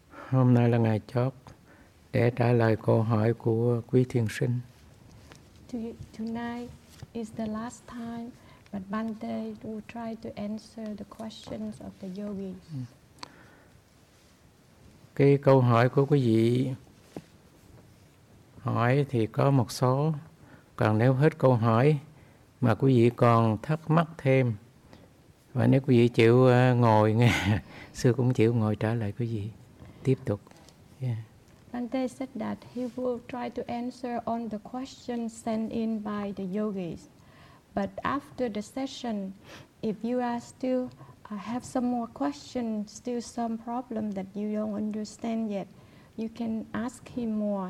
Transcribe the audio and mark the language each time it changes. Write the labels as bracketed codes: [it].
[vi] Hôm nay là ngày chót để trả lời câu hỏi của quý thiền sinh. [en] Tonight is the last time that Bhante will try to answer the questions of the yogis. [vi] Cái câu hỏi của quý vị hỏi thì có một số, còn nếu hết câu hỏi mà quý vị còn thắc mắc thêm, và nếu quý vị chịu ngồi nghe, sư cũng chịu ngồi trả lời quý vị tiếp tục. [en] Bhante said that he will try to answer on the questions sent in by the yogis, but after the session, if you are still have some more questions, still some problem that you don't understand yet, you can ask him more.